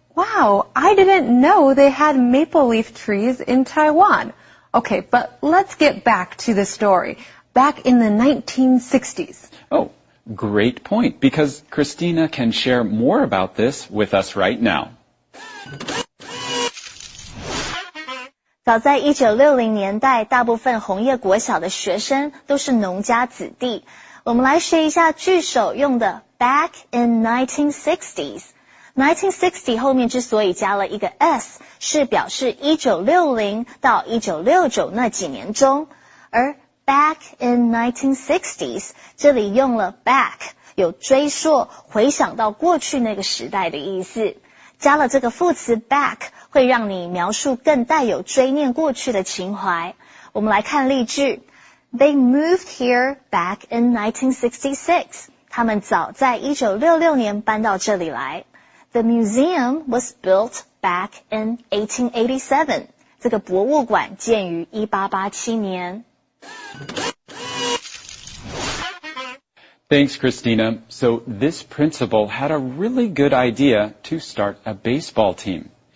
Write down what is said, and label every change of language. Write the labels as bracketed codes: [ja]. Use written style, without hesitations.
[en] Wow, I didn't know they had maple leaf trees in Taiwan. Okay, but let's get back to the story. Back in the 1960s. Oh, great point, because Christina can share more about this with us right now. [zh] 早在1960年代，大部分红叶国小的学生都是农家子弟。我们来学一下句首用的 back in 1960s。 1960后面之所以加了一个 s 是表示1960到1969那几年中，而 [en] back in 1960s [zh] 这里用了 back， 有追溯回想到过去那个时代的意思，加了这个副词 back 会让你描述更带有追念过去的情怀。我们来看例句， [en] They moved here back in 1966， [zh] 他们早在1966年搬到这里来。 [en] The museum was built back in 1887. [zh] 这个博物馆建于1887年。 [en] Thanks, Christina. So this principal had a really good idea to start a baseball team.